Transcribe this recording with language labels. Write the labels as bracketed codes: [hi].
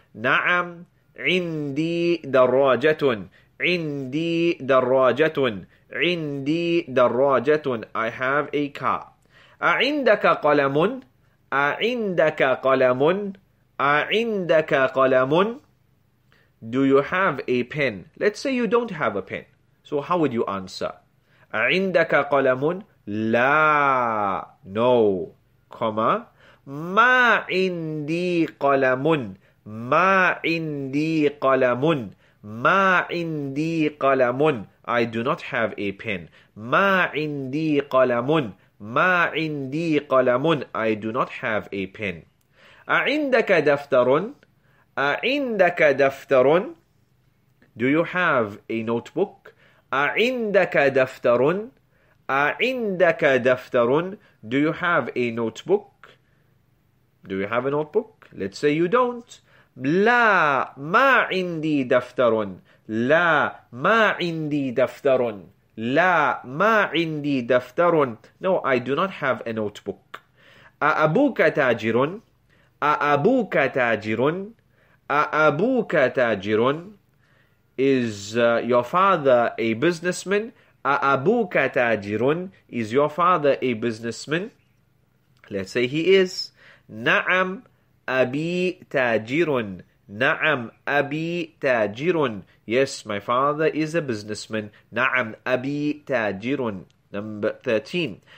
[ar] نعم عندي دراجة. عندي دراجة. عندي دراجة, [en] I have a car. [ar] أعندك قلم؟ أعندك قلم؟ أعندك قلم؟ [en] Do you have a pen? Let's say you don't have a pen. So how would you answer? [ar] أعندك قلم؟ لا, [en] no, comma. [ar] ما عندي قلم؟ ما عندي قلم؟ ما عندي قلم؟ [en] I do not have a pen. [ar] ما عندي قلم؟ ما عندي قلم؟ [en] I do not have a pen. [ar] أعندك دفتر؟ أعندك دفتر؟ [en] Do you have a notebook? [ar] أعندك دفتر؟ أعندك دفتر؟ [en] Do you have a notebook? Do you have a notebook? Let's say you don't. [ar] لا ما عندي دفتر. لا ما عندي دفتر. لا ما عندي دفتر. [en] No, I do not have a notebook. [ar] أأبوك تاجر؟ أأبوك تاجر؟ أأبوك تاجر؟ [en] Is your father a businessman? [ar] أأبوك تاجر؟ [en] Is your father a businessman? Let's say he is. [ar] نعم أبي تاجر. نعم أبي تاجر. [en] Yes, my father is a businessman. [ar] نعم أبي تاجر. [en] Number 13.